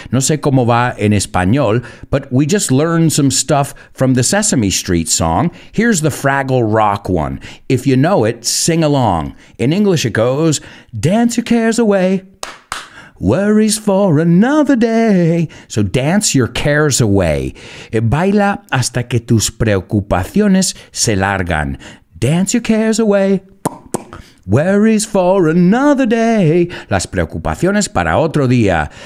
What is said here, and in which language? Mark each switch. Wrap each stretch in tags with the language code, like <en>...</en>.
<es>No sé cómo va en español,</es> <en>but we just learned some stuff from the Sesame Street song. Here's the Fraggle Rock one. If you know it, sing along. In English it goes, dance your cares away, worries for another day. So dance your cares away.</en> <es>E baila hasta que tus preocupaciones se largan.</es> <en>Dance your cares away. Worries for another day.</en> <es>Las preocupaciones para otro día.</es>